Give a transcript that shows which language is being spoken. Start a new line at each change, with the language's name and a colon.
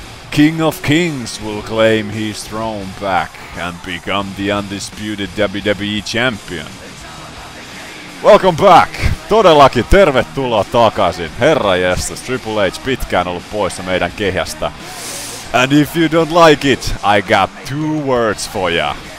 English: King of Kings will claim his throne back and become the undisputed WWE Champion! Welcome back!
Finnish: Todellakin tervetuloa takaisin! Herranjestas, Triple H pitkään ollut poissa meidän kehästä.
English: And if you don't like it, I got two words for ya.